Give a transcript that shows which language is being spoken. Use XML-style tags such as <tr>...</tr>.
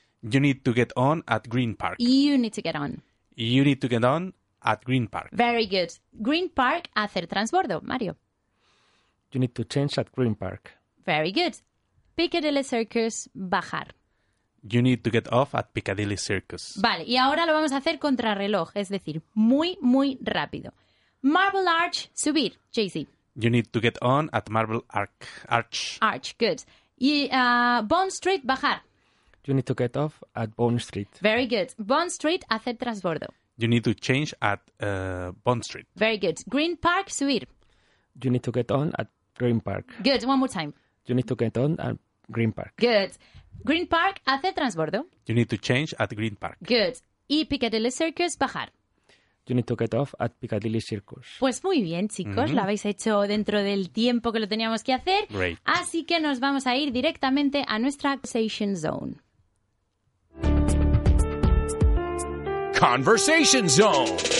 <en>You need to get on at Green Park. You need to get on. You need to get on at Green Park. Very good.</en> <es>Green Park, hacer transbordo. Mario.</es> <en>You need to change at Green Park. Very good. Piccadilly Circus, bajar. You need to get off at Piccadilly Circus.</en> <es>Vale, y ahora lo vamos a hacer contrarreloj, es decir, muy, muy rápido. Marble Arch, subir, JC.</es> <en>You need to get on at Marble Arch. Arch,</en> <es>Arch, good. Y Bond Street, bajar.</es> <en>You need to get off at Bond Street. Very good.</en> <es>Bond Street, hacer transbordo.</es> <en>You need to change at Bond Street. Very good. Green Park, subir. You need to get on at Green Park. Good, one more time. You need to get on at Green Park.</en> <es>Good. Green Park, hace transbordo.</es> <en>You need to change at Green Park.</en> <es>Good. Y Piccadilly Circus, bajar.</es> <en>You need to get off at Piccadilly Circus.</en> <es>Pues muy bien, chicos. Lo habéis hecho dentro del tiempo que lo teníamos que hacer.</es> <en>Great.</en> <es>Así que nos vamos a ir directamente a nuestra Conversation Zone.</es> <en>Conversation Zone.</en>